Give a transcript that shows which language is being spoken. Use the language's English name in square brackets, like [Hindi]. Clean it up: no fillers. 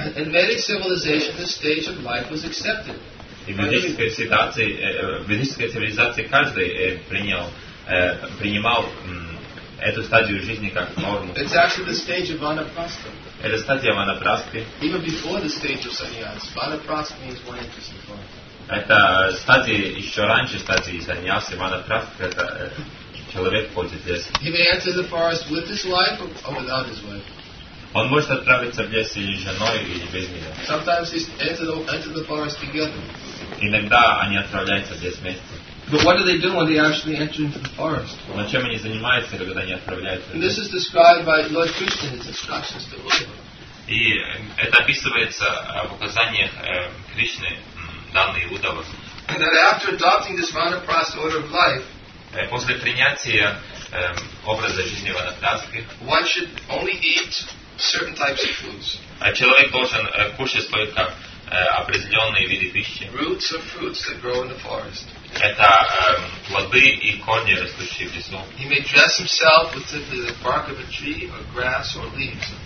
[English] In Vedic civilization, this stage of life was accepted. [Russian] И ведической цивилизации каждый принимал эту стадию жизни как норму. [English] It's actually the stage of vanaprastha. [Russian] Это стадия ванапрасты. [English] Even before the stage of sannyas, vanaprastha means one interest in form. [Russian] Это стадия еще раньше стадии саньяса, ванапрасты, когда человек входит в лес. [English] He may enter the forest with his wife or without his wife. [Russian] Он может отправиться в лес или с женой, или без нее. [English] Sometimes he enter the forest together. [Russian] Иногда они отправляются в лес вместе. [English] But what do they do when they actually enter into the forest? [Russian] Но чем они занимаются, когда они отправляются? [English] This is described by Lord Krishna in his instructions to Uddhava. [Russian] И это описывается в указаниях Кришны, данные Уддхава. [English] And that after adopting this vanaprastha order of life, [Russian] после принятия образа жизни ванапрасты, [English] one should only eat certain types of foods. [Russian] А человек должен кушать только определенные виды пищи. [English] Roots or fruits that grow in the forest. [Russian] Это плоды и корни, растущие в лесу. [English] He may dress himself with simply the bark of a tree or grass or leaves.